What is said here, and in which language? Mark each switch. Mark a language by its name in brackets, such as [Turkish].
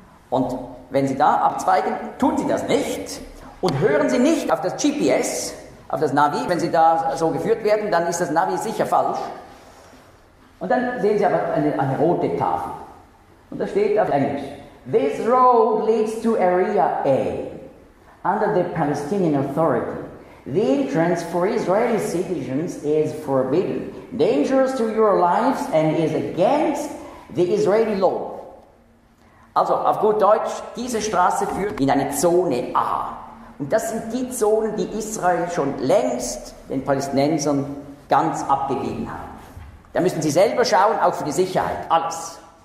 [German] Und wenn Sie da abzweigen, tun Sie das nicht und hören Sie nicht auf das GPS, auf das Navi. Wenn Sie da so geführt werden, dann ist das Navi sicher falsch. Und dann sehen Sie aber eine rote Tafel. Und da steht auf Englisch: [English] This road leads to Area A. Under the Palestinian Authority, the entrance for Israeli citizens is forbidden, dangerous to your lives and is against the Israeli law. [German] Also, auf gut Deutsch, diese Straße führt in eine Zone A. Und das sind die Zonen, die Israel schon längst den Palästinensern ganz abgegeben hat. Da müssen sie selber schauen, auch für die Sicherheit, alles.